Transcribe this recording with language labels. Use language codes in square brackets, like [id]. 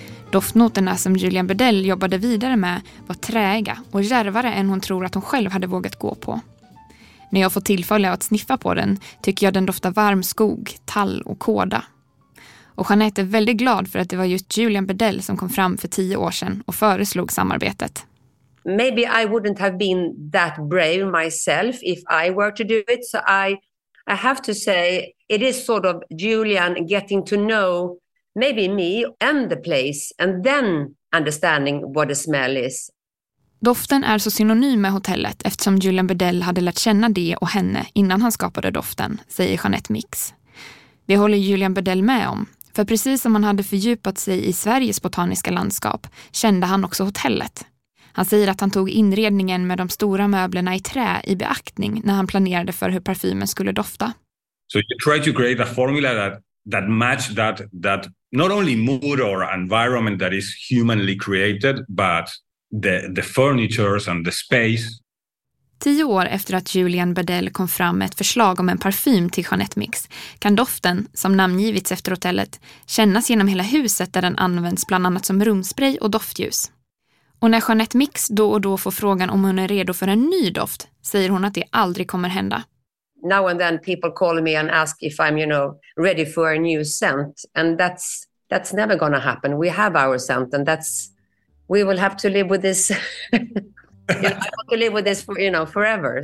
[sv] Doftnoterna som Julian Bedell jobbade vidare med var träiga och järvare än hon tror att hon själv hade vågat gå på. När jag får tillfälle att sniffa på den tycker jag den doftar varm skog, tall och kåda. Och Jeanette är väldigt glad för att det var just Julian Bedell som kom fram för 10 år sedan och föreslog samarbetet. [en] Maybe I wouldn't have been that brave myself if I were to do it. So I have to say it is sort of Julian getting to know maybe me and the place and then understanding what the smell is. [sv] Doften är så synonym med hotellet eftersom Julian Bedell hade lärt känna det och henne innan han skapade doften, säger Jeanette Mix. Det håller Julian Bedell med om. För precis som han hade fördjupat sig i Sveriges botaniska landskap kände han också hotellet. Han säger att han tog inredningen med de stora möblerna i trä i beaktning när han planerade för hur parfymen skulle dofta. [en] So you try to create a formula that match that not only mood or environment that is humanly created, but the furnitures and the space. [sv] 10 år efter att Julian Bedell kom fram med ett förslag om en parfym till Jeanette Mix kan doften, som namngivits efter hotellet, kännas genom hela huset där den används bland annat som rumspray och doftljus. Och när Jeanette Mix då och då får frågan om hon är redo för en ny doft säger hon att det aldrig kommer hända. [en] Now and then people call me and ask if I'm, you know, ready for a new scent. And that's never gonna happen. We have our scent and we will have to live with this. Yeah, I want to live with this for, you know, forever.